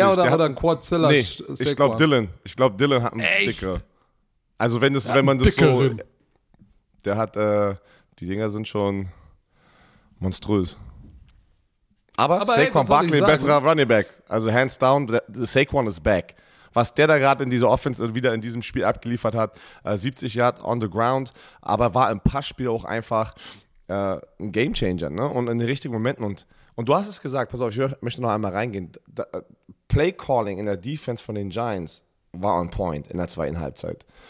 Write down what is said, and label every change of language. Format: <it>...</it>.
<de>Er oder hat ein Quadzilla? Nee, ich glaube Dillon. Ich glaube Dillon hat einen dickeren. Also, wenn, das, wenn man das so. Rim. Der hat. Die Dinger sind schon monströs. Aber Saquon Barkley, besserer Running Back.</de> <en>Also hands down, the Saquon is back.</en> <de>Was der da gerade in dieser Offense wieder in diesem Spiel abgeliefert hat, 70 Yard</de> <en>on the ground,</en> <de>aber war im Passspiel auch einfach ein Game Changer, ne? Und in den richtigen Momenten. Und du hast es gesagt, pass auf, ich möchte noch einmal reingehen. Play Calling in der Defense von den Giants war on point in der zweiten Halbzeit.</de>